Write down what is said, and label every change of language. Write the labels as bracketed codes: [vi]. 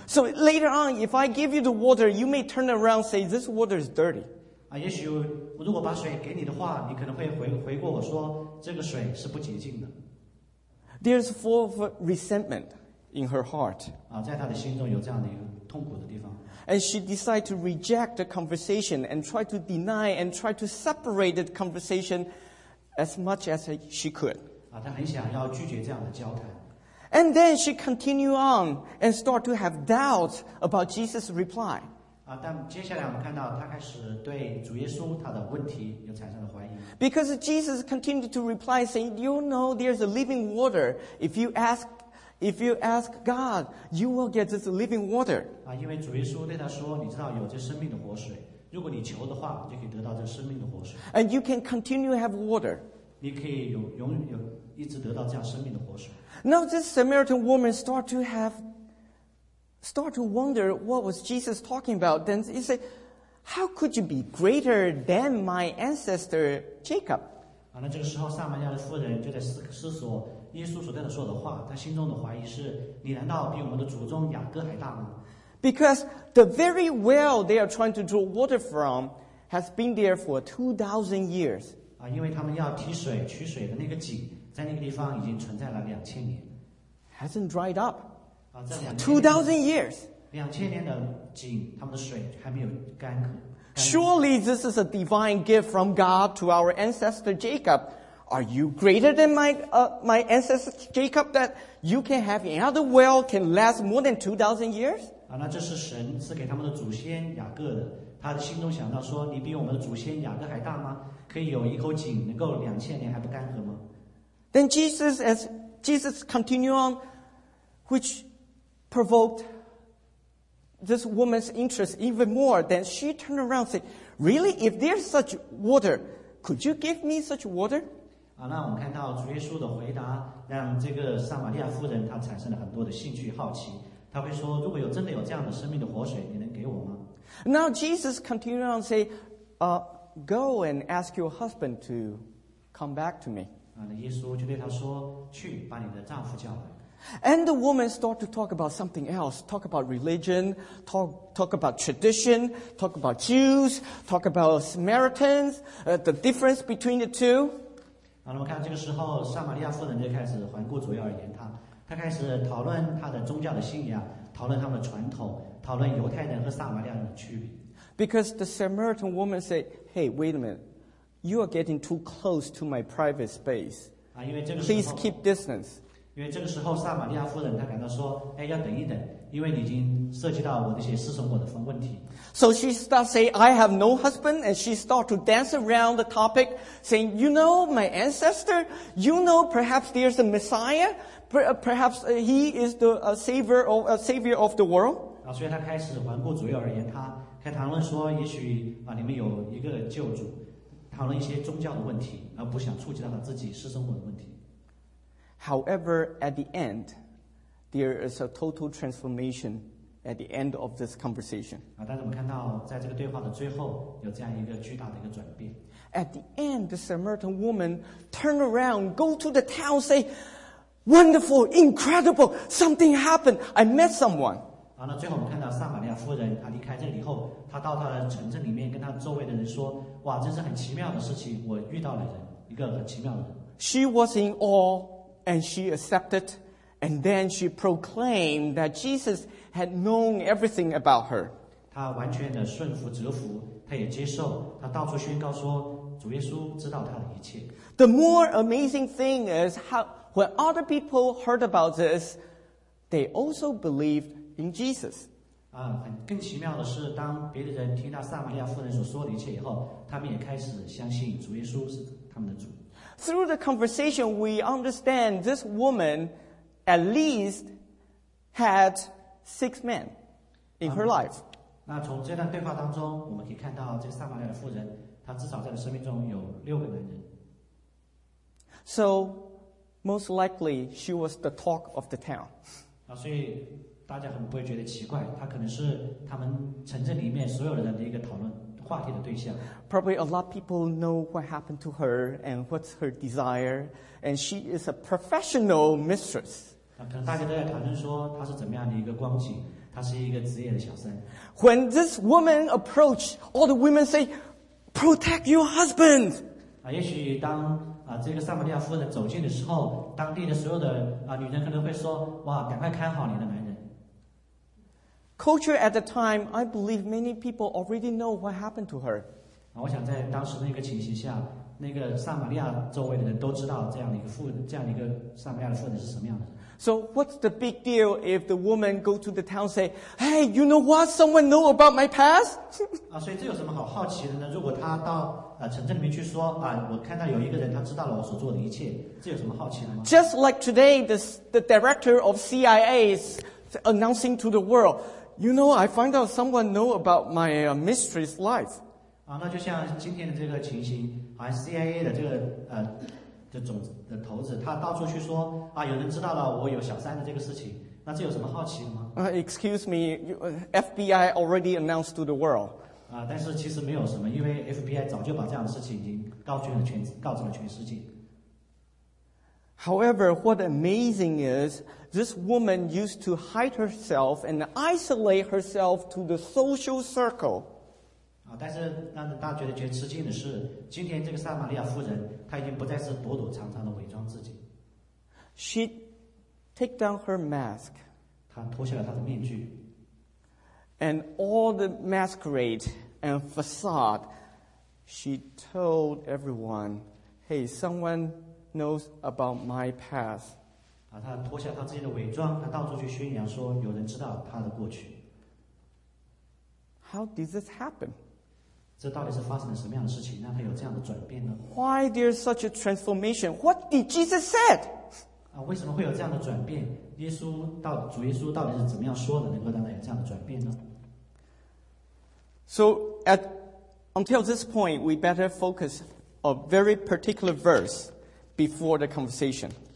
[en] So later on, if I give you the water, you may turn around and say, this water is dirty. [zh] 也许如果把水给你的话，你可能会回过我说，这个水是不洁净的。 [en] There's full of resentment in her heart. [zh] 在她的心中有这样的一个痛苦的地方。 [en] And she decided to reject the conversation and try to deny and try to separate the conversation as much as she could. [zh] 她很想要拒绝这样的交谈。 [en] And then she continued on and started to have doubts about Jesus' reply. [zh] 但接下来我们看到她开始对主耶稣她的问题有产生了怀疑。 [en] Because Jesus continued to reply saying, you know there's a living water. If you ask God, you will get this living water. [zh] 因为主耶稣对她说你知道有这生命的活水。如果你求的话就可以得到这生命的活水。 [en] And you can continue to have water. [zh] 你可以有一直得到这样生命的活水。 [en] Now this Samaritan woman start to wonder what was Jesus talking about. Then he said, how could you be greater than my ancestor Jacob? [zh] 那这个时候撒玛利亚的妇人就在思索耶稣所对她说的话，她心中的怀疑是，你难道比我们的祖宗雅各还大吗？ [en] Because the very well they are trying to draw water from has been there for 2,000 years. [zh] 因为他们要提水取水的那个井在那个地方已经存在了两千年。 [en] Hasn't dried up. 2,000 years. [zh] 两千年的井他们的水还没有干渴。 [en] Surely this is a divine gift from God to our ancestor Jacob. Are you greater than my ancestor Jacob that you can have another well can last more than 2,000 years? [zh] 那这是神赐给他们的祖先雅各的。他的心中想到说你比我们的祖先雅各还大吗？可以有一口井能够两千年还不干渴吗？ [en] Then Jesus continued on, which provoked this woman's interest even more. Then she turned around and said, really, if there's such water, could you give me such water? [zh] 那我们看到主耶稣的回答让这个撒玛利亚妇人她产生了很多的兴趣好奇。她会说如果有真的有这样的生命的活水你能给我吗？ [en] Now Jesus continued on and said, go and ask your husband to come back to me. [zh] 耶稣就对她说去把你的丈夫叫来。 [en] And the woman started to talk about something else. Talk about religion. Talk about tradition. Talk about Jews. Talk about Samaritans. The difference between the two. [zh] 我们看这个时候撒玛利亚妇人就开始环顾左右而言她。她开始讨论她的宗教的信仰，讨论他们的传统，讨论犹太人和撒玛利亚人的区别。 [en] Because the Samaritan woman said, hey, wait a minute. You are getting too close to my private space. Please keep distance. [zh] 因为这个时候撒玛利亚妇人她感到说哎，要等一等，因为你已经涉及到我那些私生活的问题。 [en] So she starts saying I have no husband. And she starts to dance around the topic saying, you know my ancestor, you know perhaps there's a Messiah, perhaps he is the savior of the world. [zh] 所以她开始环顾左右而言她开谈论说也许你们有一个救主，讨论一些宗教的问题，而不想触及到自己私生活的问题。 [en] However, at the end, there is a total transformation at the end of this conversation. [zh] 但是我们看到在这个对话的最后有这样一个巨大的一个转变。 [en] At the end, the Samaritan woman turned around, go to the town, say, wonderful, incredible, something happened, I met someone. [zh] 那最后我们看到撒玛利亚妇人她离开这里后，她到她的城镇里面跟她周围的人说，哇，这是很奇妙的事情，我遇到了人，一个很奇妙的人。 [en] She was in awe. And she accepted, and then she proclaimed that Jesus had known everything about her. [zh] 她完全的顺服折服，她也接受，她到处宣告说，主耶稣知道她的一切。 [en] The more amazing thing is how when other people heard about this, they also believed in Jesus. [zh] 更奇妙的是，当别的人听到撒玛利亚妇人所说的一切以后，他们也开始相信主耶稣是他们的主。 [en] Through the conversation, we understand this woman at least had 6 men in her life. [zh] 那从这段对话当中，我们可以看到，这撒玛利亚的妇人，她至少在她生命中有6个男人。 [en] So, most likely, she was the talk of the town. [zh] 所以大家很不会觉得奇怪，她可能是他们城镇里面所有人的一个讨论。 [en] Probably a lot of people know what happened to her and what's her desire, and she is a professional mistress. [zh] 可能大家都在讨论说她是怎么样的一个光景，她是一个职业的小三。 [en] When this woman approached, all the women say, "Protect your husband." [zh] 也许当这个撒玛利亚夫人走进的时候，当地的所有的女人可能会说，哇，赶快看好你的男人。 [en] Culture at the time, I believe many people already know what happened to her. [zh] 我想在当时那个情形下，那个撒玛利亚周围的人都知道这样的一个妇人，这样一个撒玛利亚的妇人是什么样的。 [en] So what's the big deal if the woman go to the town and say, Hey, you know what? Someone know about my past? [zh] 所以这有什么好好奇的呢？如果他到城镇里面去说我看到有一个人他知道了我所做的一切，这有什么好奇的吗？ [en] Just like today, the director of CIA is announcing to the world, You know, I find out someone know about my mistress' life. [zh] 那就像今天的这个情形，好像 CIA 的这个的总的头子，他到处去说有人知道了我有小三的这个事情，那这有什么好奇的吗？ [en] Excuse me, FBI already announced to the world. [zh] 但是其实没有什么，因为 FBI 早就把这样的事情已经告知了全世界。 [en] However, what amazing is this woman used to hide herself and isolate herself to the social circle. [zh] 但是让大家觉得吃惊的是，今天这个撒玛利亚妇人她已经不再是躲躲藏藏的伪装自己。 [en] She take down her mask. [zh] 她脱下了她的面具。 [en] And all the masquerade and facade, she told everyone, "Hey, someone knows about my past." [zh] 她脱下她自己的伪装，她到处去宣扬说有人知道她的过去。 [en] How did this happen? [zh] 这到底是发生了什么样的事情，让他有这样的转变呢？ [en] Why there's such a transformation? What did Jesus said? [zh] 为什么会有这样的转变？主耶稣到底是怎么样说的，能够让他有这样的转变呢？ [en] So until this point, we better focus a very particular verse before the conversation.